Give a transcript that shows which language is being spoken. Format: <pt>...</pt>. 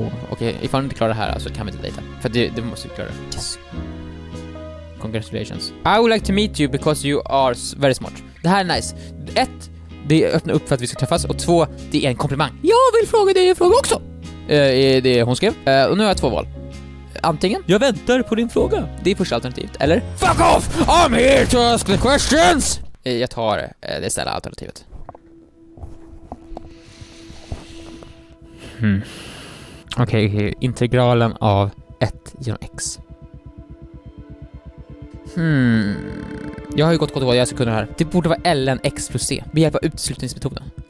<sv>Okej, ifall du inte klarar det här så kan vi inte dejta. För det måste vi klara.</sv> <en>Yes. Congratulations. I would like to meet you because you are very smart.</en> <sv>Det här är nice. Ett, det öppnar upp för att vi ska träffas. Och 2, det är en komplimang. Jag vill fråga dig en fråga också. Det är hon skrev. Och nu har jag 2 val. Antingen jag väntar på din fråga. Det är första alternativet. Eller fuck off!</sv> <en>I'm here to ask the questions!</en> <sv>Jag tar det istället alternativet. Okej, integralen av 1 genom x. Jag har ju gått åt våra sekunder här. Det borde vara ln x plus c. Vi hjälper av utslutningsmetoden.</sv>